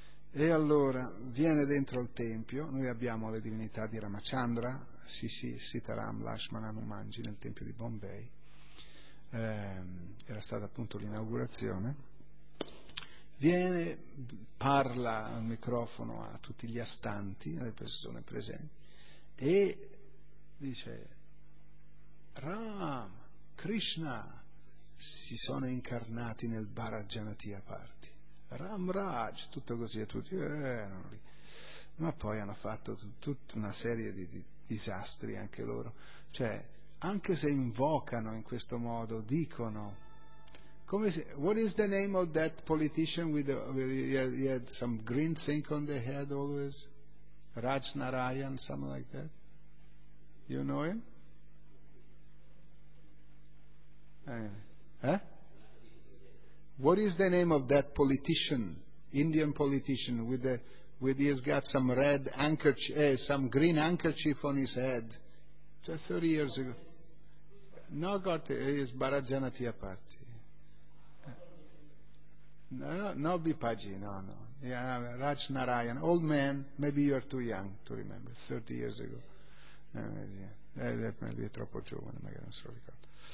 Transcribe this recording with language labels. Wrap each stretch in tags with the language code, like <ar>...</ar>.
<it>E allora viene dentro al tempio, noi abbiamo le divinità di Ramachandra, Sitaram, Lashman, Hanumanji nel tempio di Bombay, era stata appunto l'inaugurazione, viene, parla al microfono a tutti gli astanti, alle persone presenti, e dice: Ram, Krishna si sono incarnati nel Bharatajanatiya Party. Ram Raj, tutto così, e tutti erano lì. Ma poi hanno fatto tutta una serie di disastri anche loro. Cioè, anche se invocano in questo modo, dicono: come se,</it> <en>what is the name of that politician with he had some green thing on the head always? Raj Narayan, something like that. You know him? What is the name of that politician, Indian politician, he has got some red handkerchief, some green handkerchief on his head? 30 years ago. No, got it. It's Bharatajanatiya Party. No, yeah, Raj Narayan, old man, maybe you are too young to remember, 30 years ago.</en> <it>Lui è troppo giovane, magari non se lo ricordo.</it>